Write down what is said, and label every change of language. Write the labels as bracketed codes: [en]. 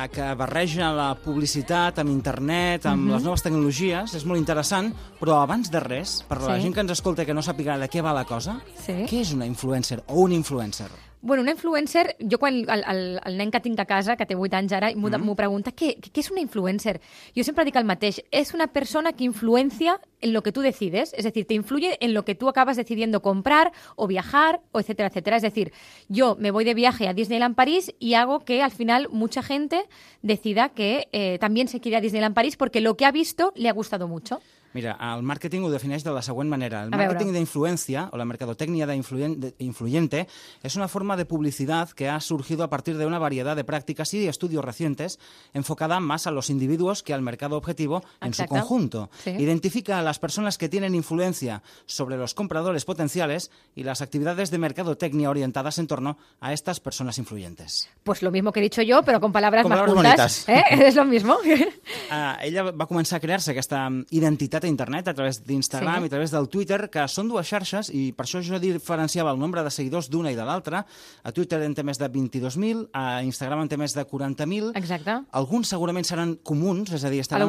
[ca] Que barreja la publicitat amb internet, amb mm-hmm. les noves tecnologies, és molt interessant, però abans de res, per la gent que ens escolta que no sàpiga de què va la cosa, què és una influencer o un influencer? Bueno, una influencer, jo quan el nen que tinc a casa, que té 8 anys ara, m'ho pregunta, què és una influencer? Jo sempre dic el mateix, és una persona que influencia [es] en lo que tú decides, es decir, te influye en lo que tú acabas decidiendo comprar o viajar, o etcétera, etcétera. Es decir, yo me voy de viaje a Disneyland París y hago que al final mucha gente decida que también se quiere a Disneyland París porque lo que ha visto le ha gustado mucho. [ca] Mira, el màrqueting ho defineix de la següent manera. El màrqueting d'influència, o la mercadotècnia d'influyente, és una forma de publicitat que ha sorgit a partir d'una varietat de pràctiques i estudis recents enfocada més a los individus que al mercat [es] objetivo en su conjunto. [ca] Sí. [es] Identifica a las personas que tienen influencia sobre los compradores potenciales y las actividades de mercadotecnia orientadas en torno a estas personas influyentes. Pues lo mismo que he dicho yo, pero con palabras, palabras más juntas. ¿Eh? Es lo mismo. [ca] Ella va començar a crear-se aquesta identitat a internet, a través d'Instagram i a través del Twitter, que són dues xarxes, i per això jo diferenciava el nombre de seguidors d'una i de l'altra. A Twitter en té més de 22.000, a Instagram en té més de 40.000. Exacte. Alguns segurament seran comuns, és a dir, estaran